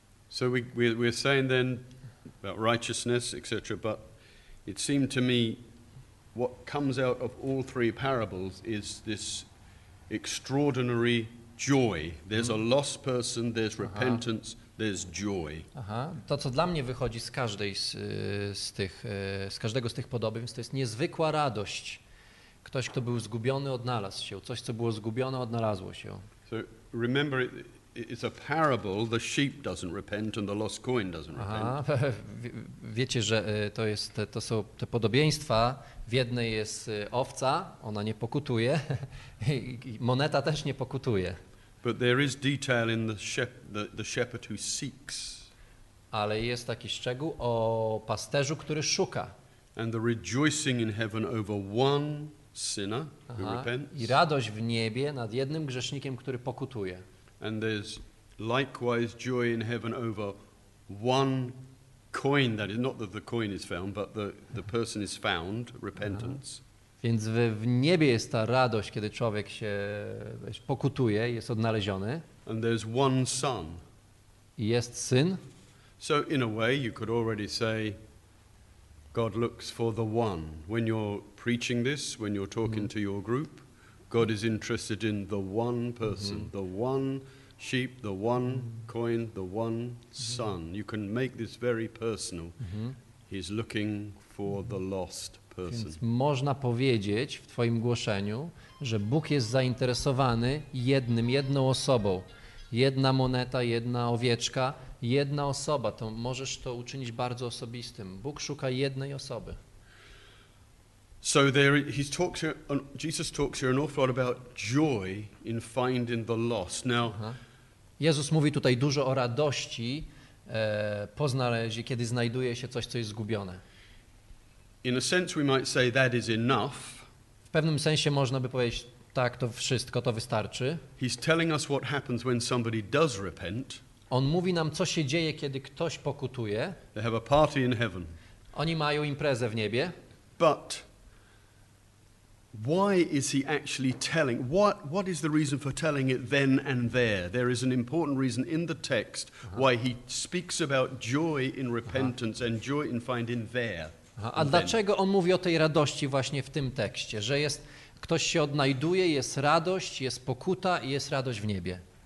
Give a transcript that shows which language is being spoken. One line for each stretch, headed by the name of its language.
English: So we're saying then about righteousness, etc. But it seemed to me what comes out of all three parables is this extraordinary joy. There's a lost person. There's repentance. There's joy. Aha.
Polish: To, co dla mnie wychodzi z każdej z każdego z tych podobieństw, to jest niezwykła radość. Ktoś, kto był zgubiony, odnalazł się. Coś, co było zgubione, odnalazło się.
English: So remember, it's a parable. The sheep doesn't repent and the lost coin doesn't repent. Aha.
Polish: Wiecie, że to są te podobieństwa. W jednej jest owca, ona nie pokutuje. Moneta też nie pokutuje.
English: But there is detail in the shepherd who seeks.
Polish: Ale jest taki szczegół o pasterzu, który szuka.
English: And the rejoicing in heaven over one sinner who repents.
Polish: I radość w niebie nad jednym grzesznikiem, który pokutuje.
English: And there's likewise joy in heaven over one coin that is not that the coin is found, but the person is found, repentance. Aha.
Polish: Więc w niebie jest ta radość, kiedy człowiek się pokutuje, jest odnaleziony.
English: And there's one son.
Polish: I jest syn.
English: So in a way you could already say God looks for the one. When you're preaching this, when you're talking to your group, God is interested in the one person, the one sheep, the one coin, the one son. You can make this very personal. He's looking for the lost.
Polish: Więc można powiedzieć w twoim głoszeniu, że Bóg jest zainteresowany jedną osobą. Jedna moneta, jedna owieczka, jedna osoba. To możesz to uczynić bardzo osobistym. Bóg szuka jednej osoby.
English: So there he's talks here, Jesus talks here an awful lot about joy in finding the lost. Now,
Polish: Jezus mówi tutaj dużo o radości po znalezieniu, kiedy znajduje się coś, co jest zgubione.
English: In a sense we might say that is enough.
Polish: W pewnym sensie można by powiedzieć tak, to wszystko, to wystarczy.
English: He's telling us what happens when somebody does repent.
Polish: On mówi nam, co się dzieje, kiedy ktoś pokutuje.
English: They have a party in heaven.
Polish: Oni mają imprezę w niebie.
English: But Why is he actually telling? What is the reason for telling it then and there? There is an important reason in the text why he speaks about joy in repentance and joy in finding there.
Polish: A dlaczego on mówi o tej radości właśnie w tym tekście, że jest ktoś się odnajduje, jest radość, jest pokuta i jest radość w niebie?